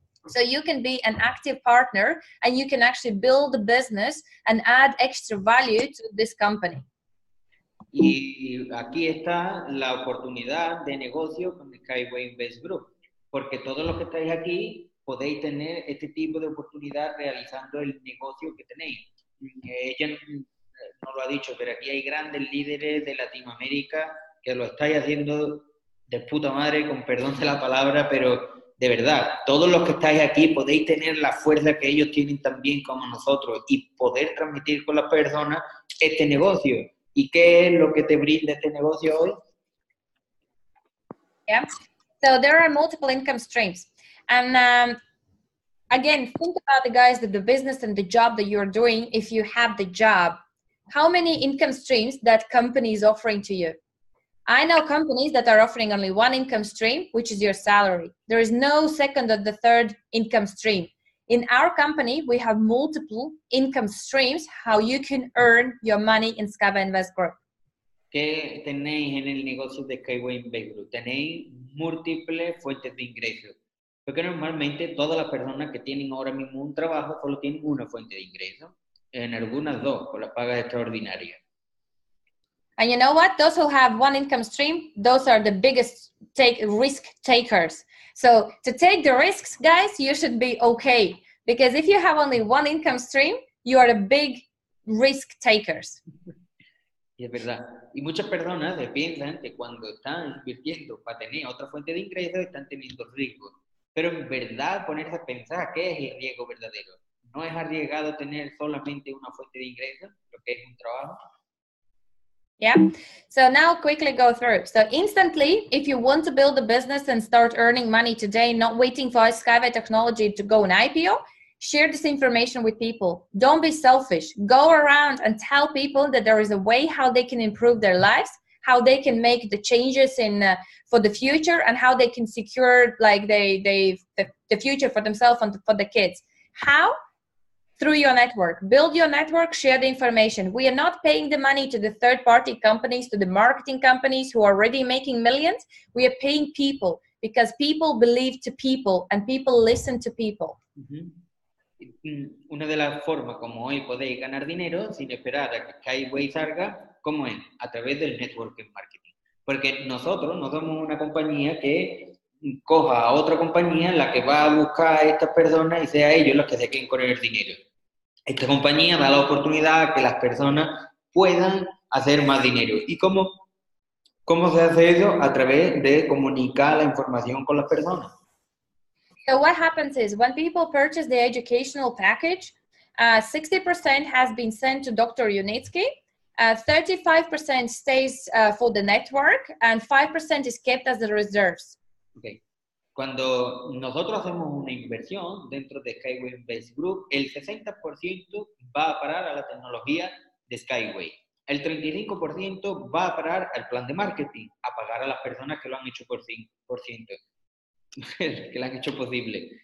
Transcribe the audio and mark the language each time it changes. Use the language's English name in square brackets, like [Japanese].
[English] So you can be an active partner and you can actually build a business and add extra value to this company. [Spanish] Y aquí está la oportunidad de negocio con SkyWay Invest Group, porque todos los que estáis aquí podéis tener este tipo de oportunidad realizando el negocio que tenéis. Ella no lo ha dicho, pero aquí hay grandes líderes de Latinoamérica que lo estáis haciendo de puta madre, con perdón de la palabra, pero de verdad, todos los que estáis aquí podéis tener la fuerza que ellos tienen también como nosotros y poder transmitir con las personas este negocio. ¿Y qué es lo que te brinda este negocio hoy? [English] Yeah. So there are multiple income streams. And again, think about the guys that the business and the job that you're doing, if you have the job. How many income streams that company is offering to you? I know companies that are offering only one income stream, which is your salary. There is no second or the third income stream. In our company, we have multiple income streams how you can earn your money in SkyWay Invest Group. [Spanish] ¿Qué tenéis en el negocio de SkyWay Invest Group? Tenéis múltiples fuentes de ingresos. Porque normalmente todas las personas que tienen ahora mismo un trabajo solo tienen una fuente de ingreso, en algunas dos, con las pagas extraordinarias. [English] And you know what? Those who have one income stream, those are the biggest risk takers. So to take the risks, guys, you should be okay. Because if you have only one income stream, you are a big risk takers. [Spanish] Y es verdad. Y muchas personas piensan que cuando están invirtiendo para tener otra fuente de ingreso, están teniendo riesgo. Pero en verdad, ponerse a pensar, ¿qué es el riesgo verdadero? ¿No es arriesgado tener solamente una fuente de ingreso, lo que es un trabajo? [English] Yeah, so now quickly go through. So instantly, if you want to build a business and start earning money today, not waiting for SkyWay technology to go in IPO, share this information with people. Don't be selfish. Go around and tell people that there is a way how they can improve their lives, how they can make the changes in for the future, and how they can secure like the future for themselves and for the kids. How? Through your network. Build your network, share the information. We are not paying the money to the third-party companies, to the marketing companies who are already making millions. We are paying people because people believe to people and people listen to people. Mm-hmm. [Spanish] Una de las formas como hoy podéis ganar dinero sin esperar a que SkyWay salga, ¿cómo es? A través del network marketing. Porque nosotros no somos una compañía que coja a otra compañía la que va a buscar a estas personas y sea ellos los que se queden con el dinero. Esta compañía da la oportunidad a que las personas puedan hacer más dinero. ¿Y cómo se hace eso? A través de comunicar la información con las personas. [English] So what happens is, when people purchase the educational package, 60% has been sent to Dr. Unitsky, 35% stays for the network, and 5% is kept as the reserves. Okay. [Spanish] Cuando nosotros hacemos una inversión dentro de SkyWay Invest Group, el 60% va a parar a la tecnología de SkyWay. El 35% va a parar al plan de marketing, a pagar a las personas que lo han hecho por 100%, que lo han hecho posible.